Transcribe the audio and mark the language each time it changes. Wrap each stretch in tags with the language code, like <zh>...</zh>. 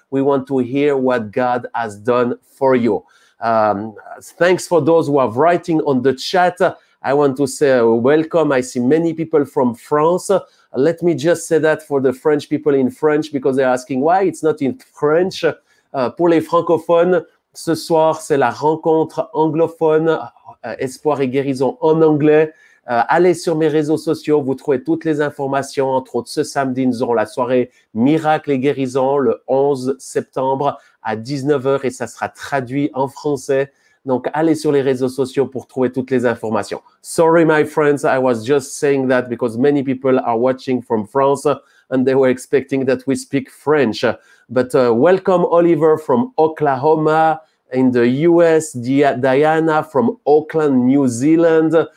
<en>We want to hear what God has done for you. Thanks for those who are writing on the chat. I want to say welcome. I see many people from France. Let me just say that for the French people in French, because they're asking why it's not in French.</en> <fr>Pour les francophones, ce soir, c'est la rencontre anglophone, espoir et guérison en anglais. Allez sur mes réseaux sociaux, vous trouvez toutes les informations. Entre autres, ce samedi, nous aurons la soirée Miracle et guérison le 11 septembre à 19h et ça sera traduit en français. Donc, allez sur les réseaux sociaux pour trouver toutes les informations.</fr> <en>Sorry, my friends, I was just saying that because many people are watching from France and they were expecting that we speak French. But welcome, Oliver from Oklahoma in the US, Diana from Auckland, New Zealand.</en>